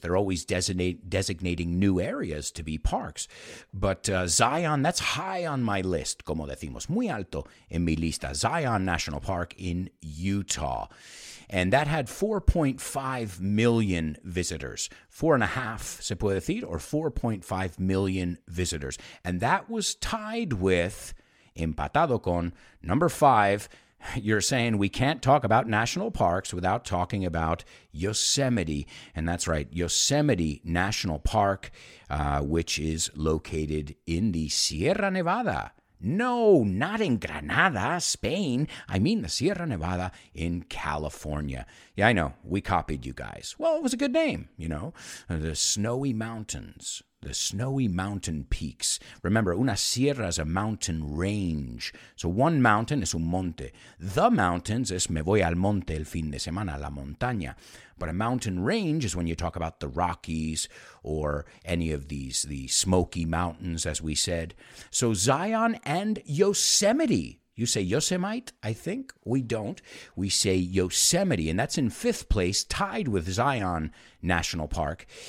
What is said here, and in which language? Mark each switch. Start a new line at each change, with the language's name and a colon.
English: They're always designating new areas to be parks. But Zion, that's high on my list,
Spanish: como decimos, muy alto en mi lista,
English: Zion National Park in Utah. And that had 4.5 million visitors. 4.5,
Spanish: se puede decir,
English: or 4.5 million visitors. And that was tied with,
Spanish: empatado con,
English: number five. You're saying we can't talk about national parks without talking about Yosemite. And that's right, Yosemite National Park, which is located in the Sierra Nevada. No, not in Granada, Spain. I mean the Sierra Nevada in California. Yeah, I know. We copied you guys. Well, it was a good name, you know. The Snowy Mountains. The Snowy Mountain Peaks. Remember, una sierra is a mountain range. So one mountain is un monte. The mountains
Spanish: es me voy al monte el fin de semana, la montaña.
English: But a mountain range is when you talk about the Rockies or any of these, the Smoky Mountains, as we said. So Zion and Yosemite. You say Yosemite, I think. We don't. We say Yosemite, and that's in fifth place, tied with Zion National Park.